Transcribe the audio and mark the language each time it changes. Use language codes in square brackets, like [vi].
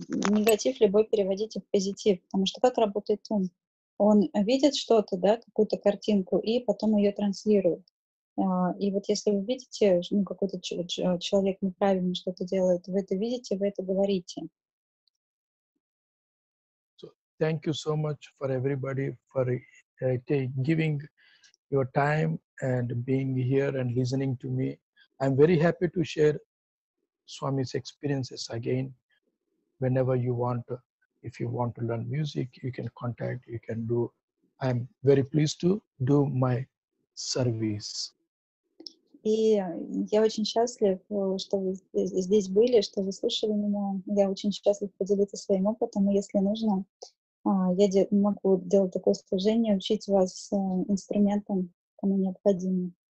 [ru] Негатив любой переводите в позитив. Потому что как работает ум? Он видит что-то, да, какую-то картинку, и потом ее транслирует. И вот если вы видите, ну, какой-то человек неправильно что-то делает, вы это видите, вы это говорите. [en] So, thank you so much for everybody for giving your time and being here and listening to me. I'm very happy to share Swami's experiences again. Whenever you want, if you want to learn music, you can contact, you can do. I'm very pleased to do my service. [ru] И я очень счастлив, что вы здесь были, что вы слушали меня. Я очень счастлив поделиться своим опытом. И если нужно, я могу делать такое служение, учить вас инструментам, кому необходимо.